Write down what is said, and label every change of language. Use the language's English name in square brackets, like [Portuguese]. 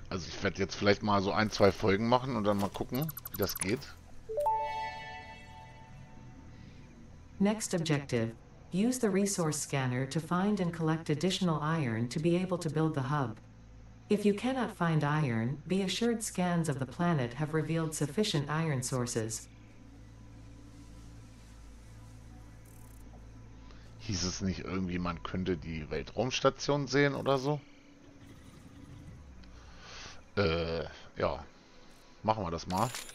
[German] Also ich werde jetzt vielleicht mal so ein, zwei Folgen machen und dann mal gucken, wie das geht. [English] Next objective. Use the resource scanner to find and collect additional iron to be able to build the hub. If you cannot find iron, be assured scans of the planet have revealed sufficient iron sources. [German] Hieß es nicht irgendwie, man könnte die Weltraumstation sehen oder so? Ja. Machen wir das mal.